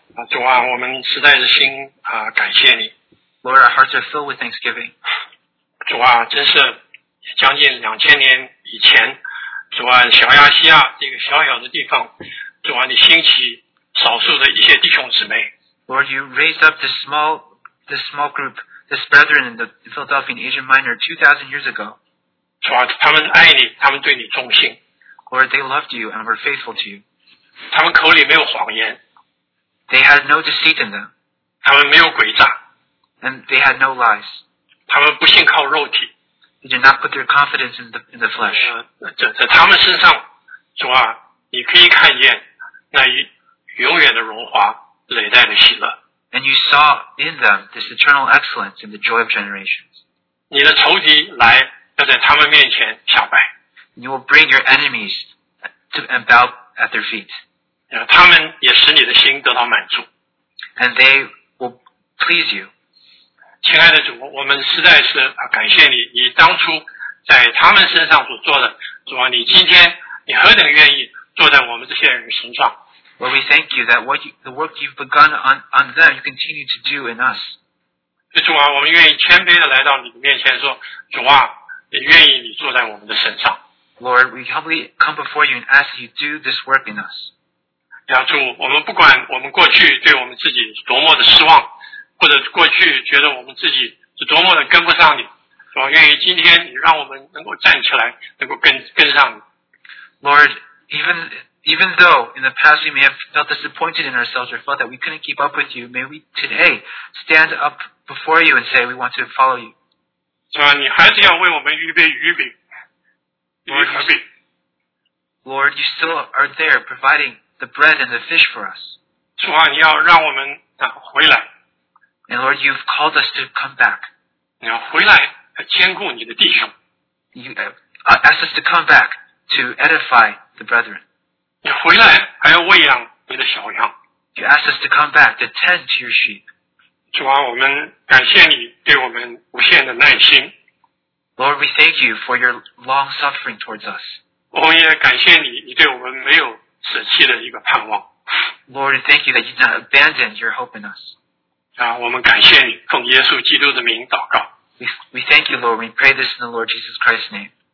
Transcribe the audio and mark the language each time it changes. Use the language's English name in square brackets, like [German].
[Chinese] 主啊，我们实在是心感谢你。 [English] Lord, our hearts are filled with thanksgiving. [Chinese] 主啊，真是将近两千年以前，主啊，小亚细亚这个小小的地方，主啊，你兴起少数的一些弟兄姊妹。 [English] Lord, you raised up this small group, this brethren in the Philadelphia in Asia Minor 2,000 years ago. [Chinese] 主啊，他们爱你，他们对你忠心。 [English] Lord, they loved you and were faithful to you. [Chinese] 他们口里没有谎言。 [English] They had no deceit in them. [Chinese] 他们没有诡诈。 [English] And they had no lies. [Chinese] 他们不信靠肉体。 [English] They did not put their confidence in the flesh. [Chinese] 在他们身上，主啊，你可以看见那永远的荣华。累代的喜乐。 [English] And you saw in them this eternal excellence and the joy of generations. [Chinese] 你的仇敌来要在他们面前下拜。 [English] You will bring your enemies to bow at their feet. [Chinese] 他们也使你的心得到满足。 [English] And they will please you. [Chinese] 亲爱的主，我们实在是感谢你，你当初在他们身上所做的，主啊，你今天你何等愿意坐在我们这些人身上。 [English] Lord, we thank you that the work you've begun on them, you continue to do in us. [Chinese] 主啊，我们愿意谦卑地来到你的面前说，主啊，也愿意你坐在我们的身上。 [English] Lord, we humbly come before you and ask you to do this work in us. [Chinese] 主，我们不管我们过去对我们自己多么的失望，或者过去觉得我们自己是多么的跟不上你，主啊，愿意今天你让我们能够站起来，能够跟上你。 [English] Lord, even though in the past we may have felt disappointed in ourselves or felt that we couldn't keep up with you, may we today stand up before you and say we want to follow you. [Chinese] 主啊，你还是要为我们预备鱼饼，鱼和饼。 [English] Lord, you still are there providing the bread and the fish for us. [Chinese] 主啊，你要让我们回来。 [English] And Lord, you've called us to come back. [Chinese] 你要回来兼顾你的弟兄。 [English] You ask us to come back to edify the brethren. [Chinese] 你回来还要喂养你的小羊。 [English] You ask us to come back to tend to your sheep. [Chinese] 主啊，我们感谢你对我们无限的耐心。 [English] Lord, we thank you for your long suffering towards us. [Chinese] 我们也感谢你，你对我们没有舍弃的一个盼望。 [English] Lord, thank you that you did not abandon your hope in us. [Chinese] 啊，我们感谢你，奉耶稣基督的名祷告。 [English] We thank you, Lord. We pray this in the Lord Jesus Christ's name.